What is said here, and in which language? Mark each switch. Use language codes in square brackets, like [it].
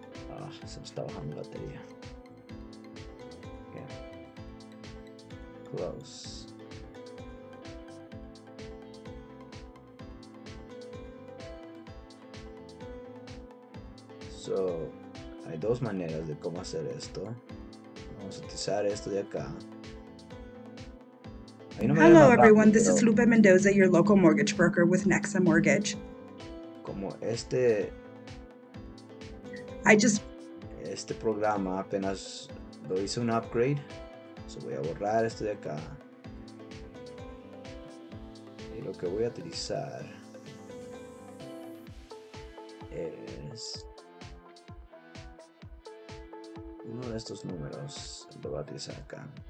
[es] Ah, se me está bajando la batería. Okay. Close. So, hay dos maneras de cómo hacer esto. Vamos a utilizar esto de acá. [en] Hello everyone, this is Lupe Mendoza, your local mortgage broker with Nexa Mortgage. [es] Como este, [en] I just [es] este programa apenas lo hice un upgrade, so voy a borrar esto de acá. Y lo que voy a utilizar es uno de estos números, lo voy a utilizar acá.